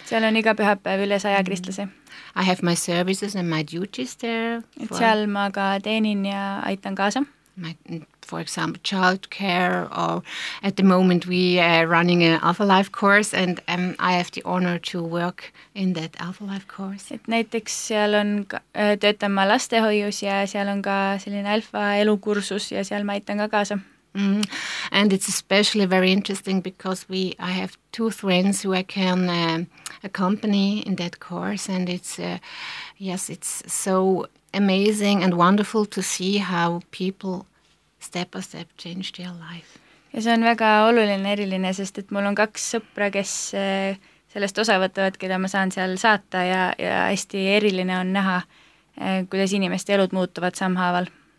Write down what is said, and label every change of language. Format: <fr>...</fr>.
<et>Seal on iga pühapäev üle 100 kristlase.</et> <en>I have my services and my duties there. For...</en> <et>Seal ma ka teenin ja aitan kaasa.</et> <en>For example, child care, or at the moment we are running an Alpha Life course and I have the honor to work in that Alpha Life course.</en> <et>Et näiteks seal on töötan ma lastehoius ja seal on ka selline Alpha elukursus ja seal ma aitan ka kaasa.</et> <en>And it's especially very interesting because I have 2 friends who I can accompany in that course and it's, yes, it's so amazing and wonderful to see how people step by step change their life.</en> <et>Ja see on väga oluline eriline, sest et mul on 2 sõpra, kes sellest osa võtavad, keda ma saan seal saata ja hästi eriline on näha, kuidas inimeste elud muutuvad samhaaval.</et>